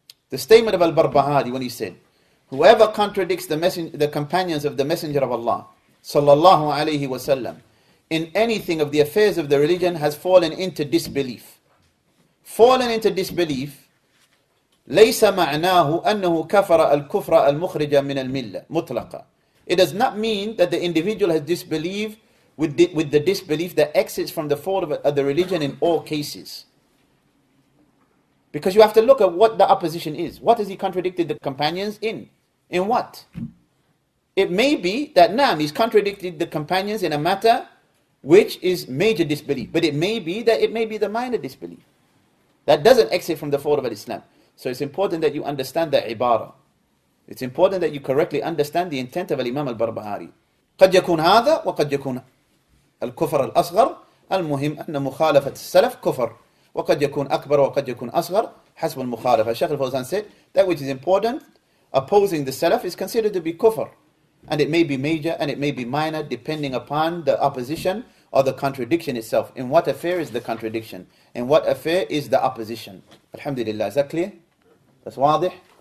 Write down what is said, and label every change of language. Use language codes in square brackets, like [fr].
[en] The statement of Al-Barbahari when he said, whoever contradicts the companions of the Messenger of Allah, sallallahu alayhi wa sallam, in anything of the affairs of the religion has fallen into disbelief. Fallen into disbelief [ar] ليس معناه أنه كفر الكفر المخرج من الملة مطلقة. [en] It does not mean that the individual has disbelief with the disbelief that exits from the fold of the religion in all cases. Because you have to look at what the opposition is. What has he contradicted the companions in? In what? It may be that Nam he's contradicted the companions in a matter which is major disbelief. But it may be that it may be the minor disbelief that doesn't exit from the fold of Islam. So it's important that you understand the ibara. It's important that you correctly understand the intent of Imam al-Barbahari. [ar] قد يكون هذا وقد يكون الكفر الأصغر. المهم أن مخالفة السلف كفر. وقد يكون أكبر وقد يكون أصغر حسب المخالفة. [en] Sheikh al-Fawzan said, that which is important, opposing the Salaf is considered to be kufr. And it may be major and it may be minor depending upon the opposition or the contradiction itself. In what affair is the contradiction? In what affair is the opposition? Alhamdulillah, is that clear? That's wadih.